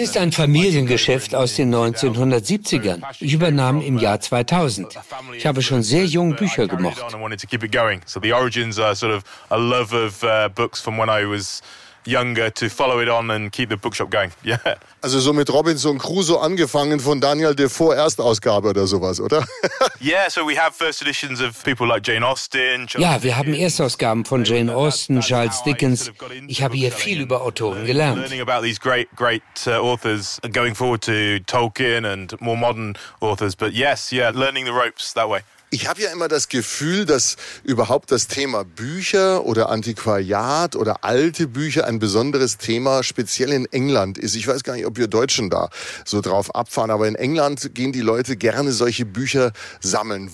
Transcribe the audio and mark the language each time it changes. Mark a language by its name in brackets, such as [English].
[German] Es ist ein Familiengeschäft aus den 1970ern. Ich übernahm im Jahr 2000. Ich habe schon sehr jung Bücher gemocht. [English] To keep it going. So the origins are sort of a love of books from when I was younger to follow it on and keep the bookshop going. Yeah. [German] Also so mit Robinson Crusoe angefangen von Daniel Defoe Erstausgabe oder sowas, oder? [English] Yeah, so we have first editions of people like Jane Austen. [German] Ja, wir haben Erstausgaben von Jane Austen, Charles Dickens. Ich habe hier viel über Autoren gelernt. [English] Learning about these great authors going forward to Tolkien and more modern authors, but yes, yeah, learning the ropes that way. [German] Ich habe ja immer das Gefühl, dass überhaupt das Thema Bücher oder Antiquariat oder alte Bücher ein besonderes Thema speziell in England ist. Ich weiß gar nicht, ob wir Deutschen da so drauf abfahren, aber in England gehen die Leute gerne solche Bücher sammeln.